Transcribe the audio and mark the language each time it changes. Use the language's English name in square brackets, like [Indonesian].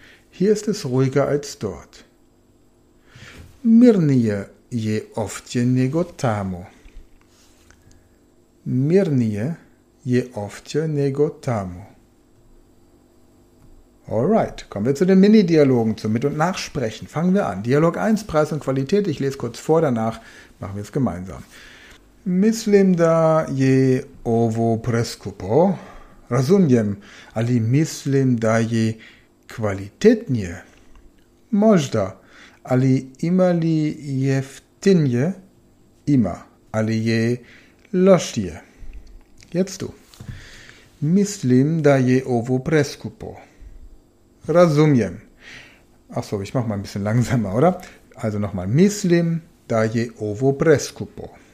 [German] Hier ist es ruhiger als dort. [Croatian] Mirnije je ovdje nego tamo. Mirnije je ovdje nego tamo. [German] Alright, kommen wir zu den Mini-Dialogen, zum Mit- und Nachsprechen. Fangen wir an. Dialog 1, Preis und Qualität. Ich lese kurz vor, danach machen wir es gemeinsam. [Croatian] Mislim da je ovo preskupo. Razumjem, ali mislim da je kvalitetnije. Možda, ali ima li jeftinje? Ima, ali je loštije. [German] Jetzt du. [Croatian] Mislim da je ovo preskupo. Razumjem. [German] Achso, ich mach mal ein bisschen langsamer, oder? Also nochmal. [Croatian] Mislim da je ovo preskupo.